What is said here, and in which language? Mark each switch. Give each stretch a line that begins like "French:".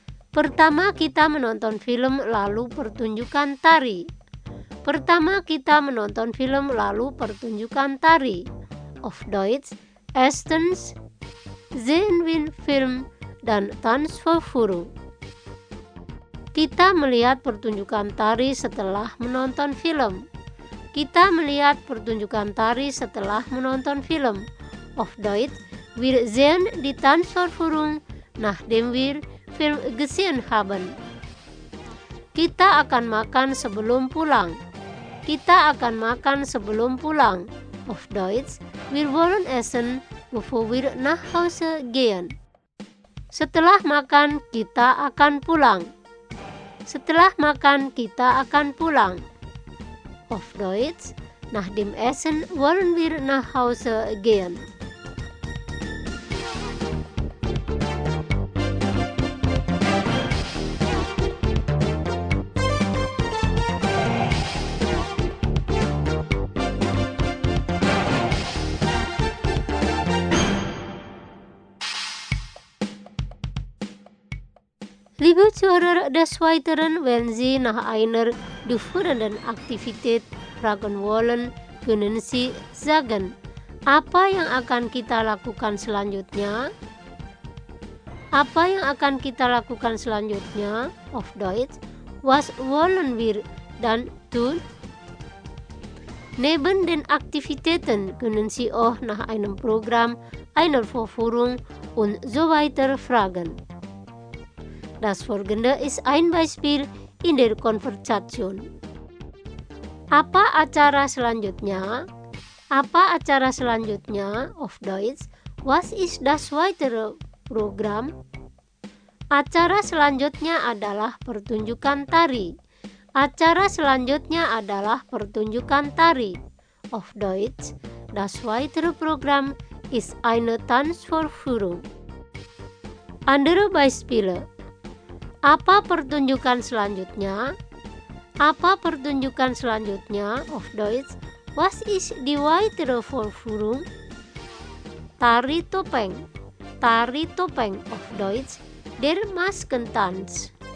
Indonesian: Pertama kita menonton film lalu pertunjukan tari. Pertama kita menonton film lalu pertunjukan tari.
German: Auf Deutsch, erstens sehen wir Film dan Tanzvorführung.
Indonesian: Kita melihat pertunjukan tari setelah menonton film. Kita melihat pertunjukan tari setelah menonton film.
German: Auf Deutsch, wir sehen die Tanzvorführung nachdem wir Film gesehen haben.
Indonesian: Kita akan makan sebelum pulang. Kita akan makan sebelum pulang.
German: Auf Deutsch, wir wollen essen bevor wir nach Hause gehen.
Indonesian: Setelah makan, kita akan pulang. Setelah makan, kita akan pulang.
German: Auf Deutsch, nach dem Essen wollen wir nach Hause gehen. Liebe Zuhörer, des Weiteren, wenn Sie nach einer durchführenden Aktivität fragen wollen, können Sie sagen,
Indonesian: apa yang akan kita lakukan selanjutnya? Apa yang akan kita lakukan selanjutnya?
German: Auf Deutsch, was wollen wir dann tun? Neben den Aktivitäten können Sie auch nach einem Programm, einer Vorführung und so weiter fragen. Das folgende ist ein Beispiel in der Konversation.
Indonesian: Apa acara selanjutnya? Apa acara selanjutnya?
German: Auf Deutsch, was ist das weitere Programm?
Indonesian: Acara selanjutnya adalah pertunjukan tari. Acara selanjutnya adalah pertunjukan tari.
German: Auf Deutsch, das weitere Programm ist eine Tanzvorführung. Andere Beispiele.
Indonesian: Apa pertunjukan selanjutnya? Apa pertunjukan selanjutnya?
German: Auf Deutsch, was ist die weitere Vorführung?
Indonesian: Tari topeng. Tari topeng.
German: Auf Deutsch, der Maskentanz.